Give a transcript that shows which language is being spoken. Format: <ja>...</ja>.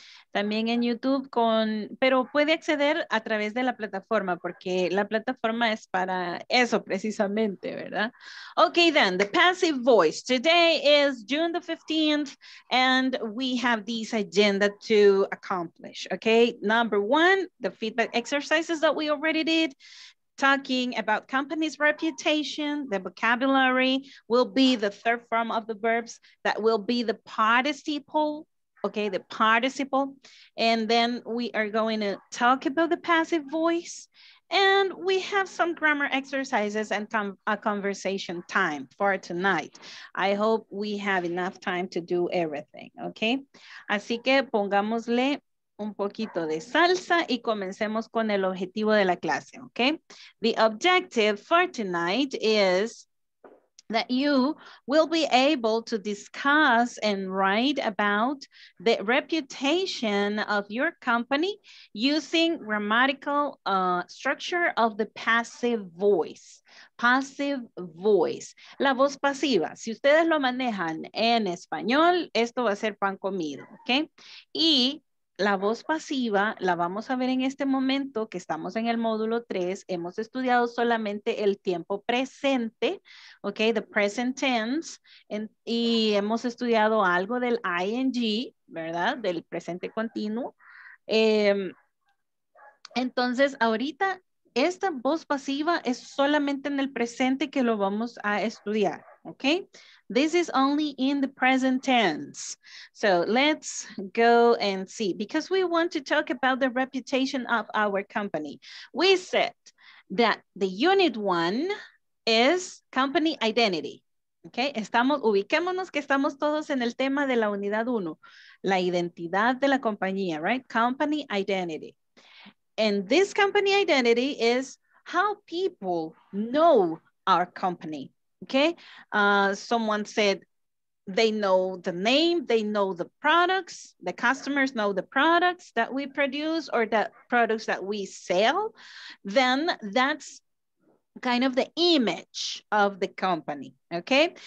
<es>También en YouTube pero puede acceder a través de la plataforma porque la plataforma es para eso precisamente, ¿verdad?</es> <en>Okay, then, the passive voice. Today is June the 15th and we have this agenda to accomplish, okay? Number one, the feedback exercises that we already did, talking about company's reputation, the vocabulary will be the third form of the verbs that will be the participle, okay, the participle. And then we are going to talk about the passive voice and we have some grammar exercises and a conversation time for tonight. I hope we have enough time to do everything, okay?</en> <es>Así que pongámosle un poquito de salsa y comencemos con el objetivo de la clase, okay?</es> <en>The objective for tonight is that you will be able to discuss and write about the reputation of your company using grammatical structure of the passive voice. Passive voice,</en> <es>la voz pasiva. Si ustedes lo manejan en español, esto va a ser pan comido, okay? Y la voz pasiva la vamos a ver en este momento que estamos en el módulo 3. Hemos estudiado solamente el tiempo presente, ok,</es> <en>the present tense,</en> <es>y hemos estudiado algo del ing, ¿verdad? Del presente continuo. Entonces, ahorita esta voz pasiva es solamente en el presente que lo vamos a estudiar, ok.</es> <en>This is only in the present tense. So let's go and see, because we want to talk about the reputation of our company. We said that the unit one is company identity.</en> <es>Okay, estamos, ubiquémonos que estamos todos en el tema de la unidad uno, la identidad de la compañía, right?</es> <en>Company identity. And this company identity is how people know our company. Okay, someone said they know the name, they know the products, the customers know the products that we produce or the products that we sell, then that's kind of the image of the company, okay?</en>